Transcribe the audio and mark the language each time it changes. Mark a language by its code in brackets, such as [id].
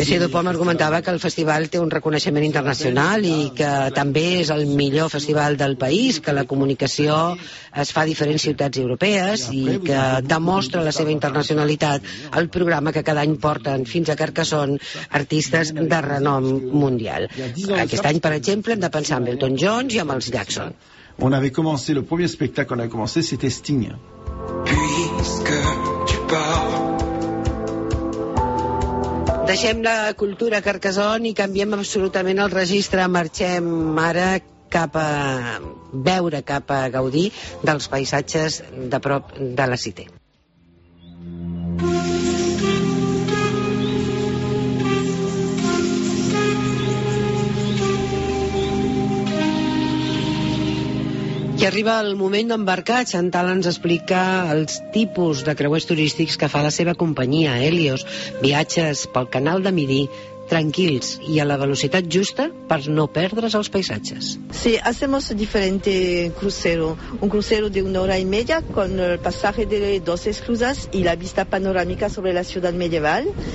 [ca] Mercè Dupont argumentava que el festival té un reconeixement internacional i que també és el millor festival del país, que la comunicació es fa a diferents ciutats europees i que demostra la seva internacionalitat el programa que cada any porten fins a Carcassonne artistes de renom mundial. Aquest any, per exemple, hem de pensar en Elton John i en els Jackson. [fr] On avait commencé, le premier spectacle qu'on avait commencé, c'était Sting. Puisque tu parles. [ca] Deixem la cultura a Carcassonne i canviem absolutament el registre. Marxem ara cap a veure, cap a gaudir dels paisatges de prop de la Cité. I arriba el moment d'embarcar. Chantal ens explica els tipus de creuers turístics que fa la seva companyia, Helios. Viatges pel canal de Midi, tranquils i a la velocitat justa per no perdre's els paisatges. [es] Sí, hacemos diferente crucero. Un crucero de una hora y media con el pasaje de dos esclusas y la vista panorámica sobre la ciudad medieval.